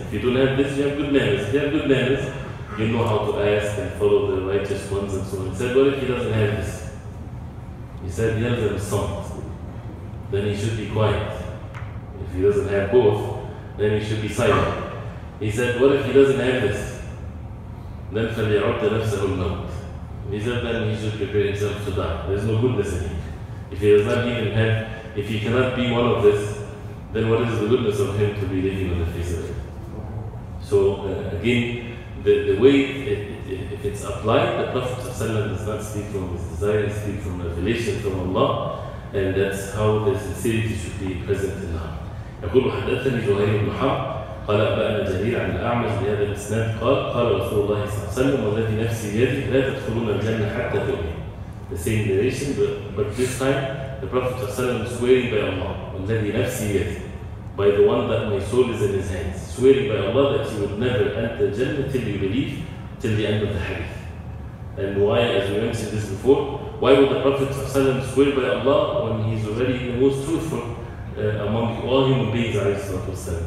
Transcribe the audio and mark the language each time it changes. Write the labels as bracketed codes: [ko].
[en] If you don't have this, you have good manners. If you have good manners, you know how to ask and follow the righteous ones and so on. He said, what if he doesn't have this? He said, yell them songs. Then he should be quiet. If he doesn't have both, then he should be silent. He said, what if he doesn't have this? [ar] Then فَلْيَعُدَّ نَفْسَهُ الْمَوْتِ. [en] He said, then he should prepare himself to die. There's no goodness in him. If he does not even have, if he cannot be one of this, then what is the goodness of him to be living on the face of it? So again, the way if it's applied, the Prophet does not speak from his desire, he speaks from revelation from Allah, and that's how the sincerity should be present in heart. [ar] يقول حدثني جهير بن حرب قال أبانا جرير عن الأعمش بهذا الإسناد قال قال رسول الله صلى الله عليه وسلم والذي نفسي بيده لا تدخلون الجنة حتى تؤمن. [en] The same narration, but this time the Prophet صلى الله عليه وسلم swearing by Allah [ar] والذي نفسي بيده, [en] by the one that my soul is in his hands, swearing by Allah that he would never enter الجنة till you believe till the end of the hadith. And why, as we mentioned this before, why would the Prophet صلى الله عليه وسلم swear by Allah when he's already the most truthful among all human beings, alayhi salatu wasalam?